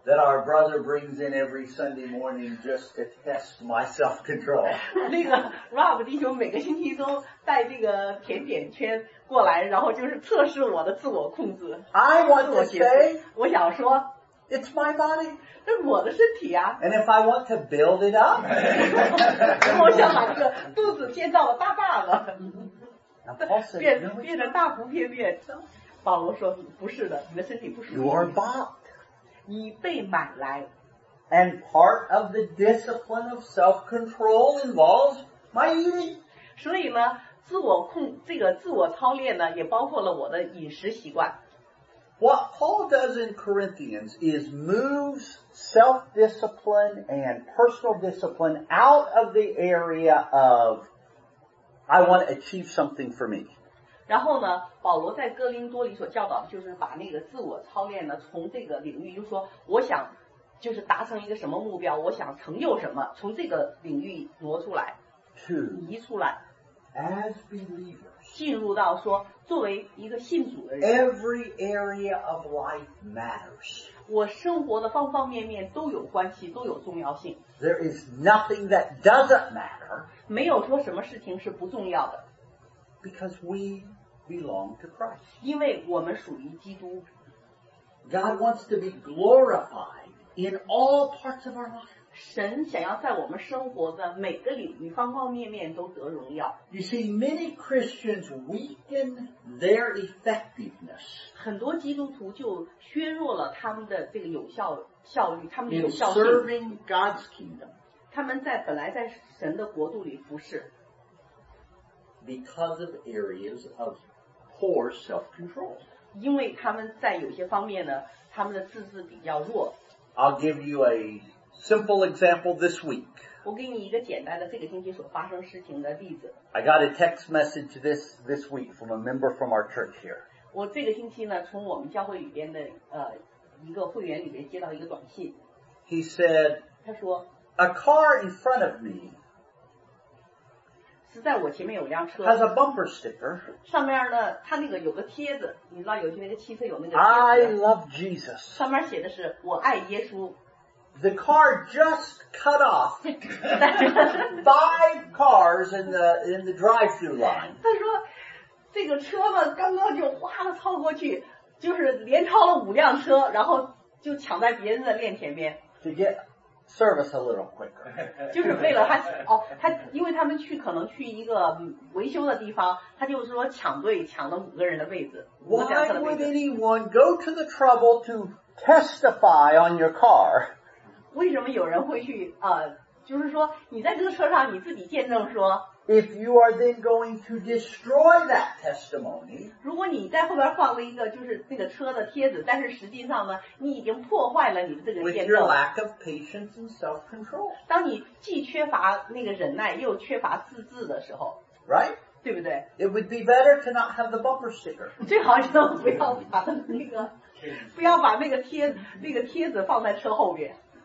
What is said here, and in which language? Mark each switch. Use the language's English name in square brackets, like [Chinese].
[English] ，That our brother brings in every Sunday morning just to test my self-control. [Chinese] 那个 Rob 弟兄每个星期都带这个甜点圈过来，然后就是测试我的自我控制。 [English] I want to say, [Chinese] 我想说 [English] ，It's my body. [Chinese] 这是我的身体啊。 [English] And if I want to build it up, [Chinese] 我想把这个肚子建造大大的。 [English] Said, [Chinese] 变得大不片面。保罗说不是的，你的身体不属于你。 [English] You are bought. [Chinese] 你被买来。 [English] And part of the discipline of self-control involves my eating. [Chinese] 所以呢，自我控这个自我操练呢，也包括了我的饮食习惯。 [English] What Paul does in Corinthians is moves self-discipline and personal discipline out of the area of I want to achieve something for me. [Chinese] 然后呢，保罗在哥林多里所教导的就是把那个自我操练呢，从这个领域，就是说我想就是达成一个什么目标，我想成就什么，从这个领域挪出来。 [English] To, [Chinese] 移出来 [English] as believers, [Chinese] 进入到说作为一个信主的人 [English] every area of life matters. [Chinese] 我生活的方方面面都有关系都有重要性 [English] There is nothing that doesn't matter. [Chinese] 没有说什么事情是不重要的 [English] Because we belong to Christ. [Chinese] 因为我们属于基督 [English] God wants to be glorified in all parts of our life. [Chinese] 神想要在我们生活的每个领域方方面面都得荣耀。 [English] You see, many Christians weaken their effectiveness. [Chinese] 很多基督徒就削弱了他们的这个有效效率，他们的有效性。 [English] In serving God's kingdom. [Chinese] 他们在本来在神的国度里服侍。 [English] Because of areas of poor self-control. [Chinese] 因为他们在有些方面呢，他们的自制比较弱。 [English] I'll give you a simple example this week. [Chinese] 我给你一个简单的这个星期所发生事情的例子。 [English] I got a text message this week from a member from our church here. [Chinese] 我这个星期呢，从我们教会里边的一个会员里边接到一个短信。 [English] He said, [Chinese] 他说 [English] ，A car in front of me [Chinese] 是在我前面有辆车 [English] ，has a bumper sticker. [Chinese] 上面呢，它那个有个贴子，你知道有些那个汽车有那个。 [English] I love Jesus. [Chinese] 上面写的是我爱耶稣。 [English] The car just cut off five cars in the drive-through line. [Chinese] 他说，这个车嘛，刚刚就哗的超过去，就是连超了五辆车，然后就抢在别人的链前面。 [English] To get service a little quicker. [Chinese] 就是为了他哦，他因为他们去可能去一个维修的地方，他就是说抢队抢了五个人的位置。 [English] Why would anyone go to the trouble to testify on your car? [Chinese] 为什么有人会去就是说你在这个车上你自己见证说 [English] If you are then going to destroy that testimony [Chinese] 如果你在后边放了一个就是那个车的贴子但是实际上呢你已经破坏了你的这个见证 [English] With your lack of patience and self-control [Chinese] 当你既缺乏那个忍耐又缺乏自制的时候 [English] Right? [Chinese] 对不对 [English] It would be better to not have the bumper sticker [Chinese] 最好是不要把那个不要把那个贴子放在车后边